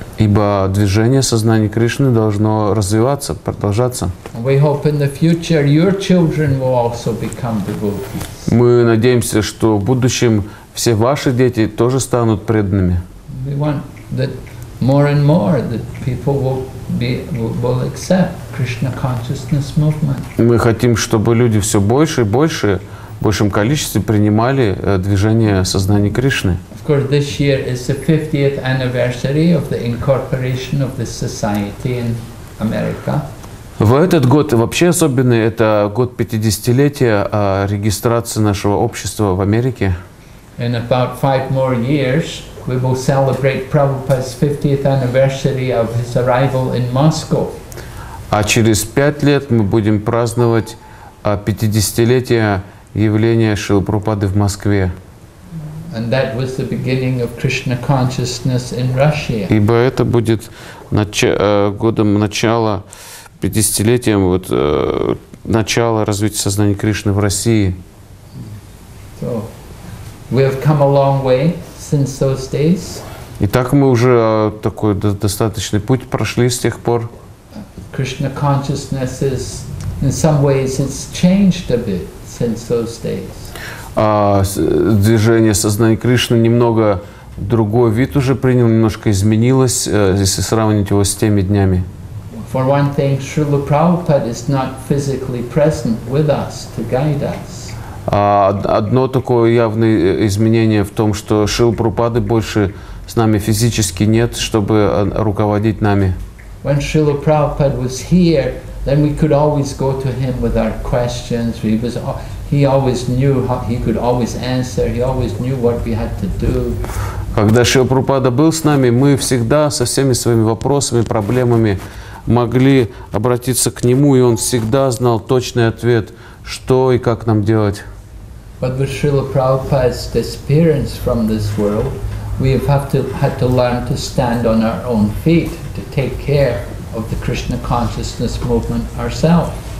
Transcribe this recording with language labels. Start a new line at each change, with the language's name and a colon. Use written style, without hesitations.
Russian: Ибо движение сознания Кришны должно развиваться, продолжаться.
English: We hope in the future your children will also become devotees.
Russian: Мы надеемся, что в будущем все ваши дети тоже станут преданными.
English: We want that more and more that people will accept Krishna consciousness movement.
Russian: Мы хотим, чтобы люди все больше и больше, в большем количестве принимали движение сознания Кришны.
English: Of course, this year is the 50th anniversary of the incorporation of the society in America.
Russian: В этот год вообще особенный, это год 50-летия регистрации нашего общества в Америке.
English: In about 5 more years, we will celebrate Prabhupada's 50th anniversary of his arrival in Moscow.
Russian: А через 5 лет мы будем праздновать 50-летие явления Шрилы Прабхупады в Москве.
English: And that was the beginning of Krishna consciousness in Russia.
Russian: Ибо это будет годом начала 50-летия вот начала развития сознания Кришны в России.
English: So, we have come a long way since those days.
Russian: Итак, мы уже такой достаточный путь прошли с тех пор.
English: Krishna consciousness is, in some ways, it's changed a bit since those days.
Russian: Движение сознания Кришны немного другой вид уже принял, немножко изменилось, если сравнить его с теми днями.
English: For one thing, Srila Prabhupada is not physically present with us to guide us.
Russian: Одно такое явное изменение в том, что Шрилы Прабхупады больше с нами физически нет, чтобы руководить нами.
English: When Srila Prabhupada was here, then we could always go to him with our questions. He always knew how, he could always answer, he always knew what we had to do.
Russian: Когда Шрила Прабхупада был с нами, мы всегда со всеми своими вопросами, проблемами могли обратиться к нему, и он всегда знал точный ответ, что и как нам делать.
English: But with Srila Prabhupada's disappearance from this world, we had to learn to stand on our own feet, to take care of the Krishna consciousness movement ourselves.